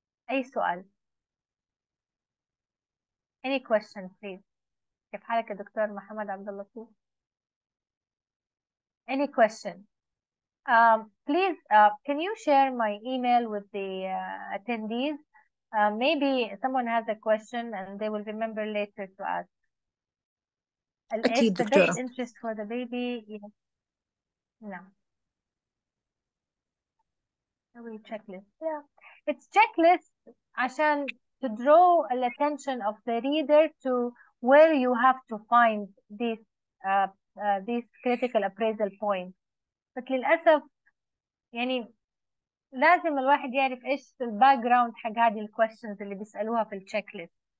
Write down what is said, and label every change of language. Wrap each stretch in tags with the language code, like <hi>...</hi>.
<ar>أي سؤال؟</ar> <en>Any question please.</en> <ar>كيف حالك يا دكتور محمد عبد الله؟</ar> <en>Any question? Please, can you share my email with the attendees? Maybe someone has a question and they will remember later to ask.</en> <ar>أكيد</ar> <en>It's a great</en> <ar>دكتورة.</ar> <en>interest for the baby. Yes. No. A wee checklist. Yeah. It's checklist عشان to draw attention of the reader to where you have to find this these critical appraisal points.</en> <ar>بس للأسف يعني لازم الواحد يعرف إيش الـ background حق هذه الـ questions اللي بيسألوها في الـ checklist.</ar>